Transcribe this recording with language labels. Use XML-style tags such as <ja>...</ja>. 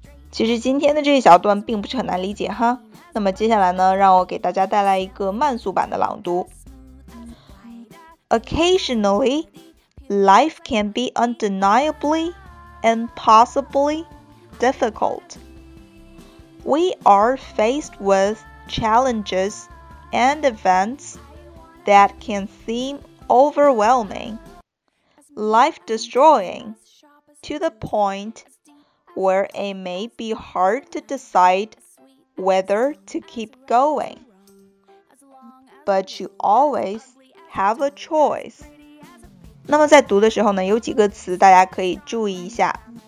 <zh>其实今天的这一小段并不是很难理解哈。那么接下来呢，让我给大家带来一个慢速版的朗读。</zh> <en>Occasionally, life can be undeniably and possibly difficult. We are faced with challenges and events that can seem overwhelming, life-destroying to the point where it may be hard to decideWhether to keep going. But you always have a choice.</en> <zh>那么在读的时候呢，有几个词大家可以注意一下。</zh>